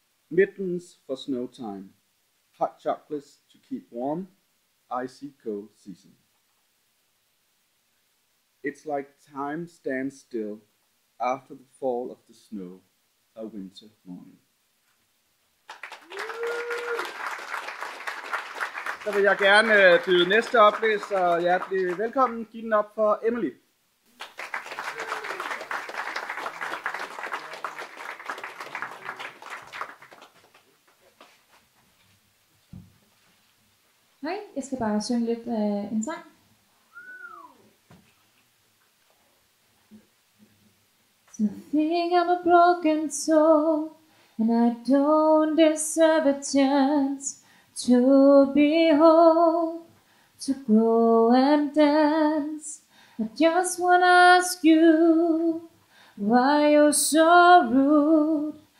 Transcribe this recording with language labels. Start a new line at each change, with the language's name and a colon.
English: Mittens for snow time, hot chocolates to keep warm, icy cold season. It's like time stands still, after the fall of the snow, a winter morning.
Danish: Så vil jeg gerne byde næste oplæser hjertelig velkommen. Giv den op for Emily. Hej, jeg skal bare synge lidt en sang.
English: I think I'm a broken soul, and I don't deserve a chance to be whole, to grow and dance. I just wanna ask you why you're so rude.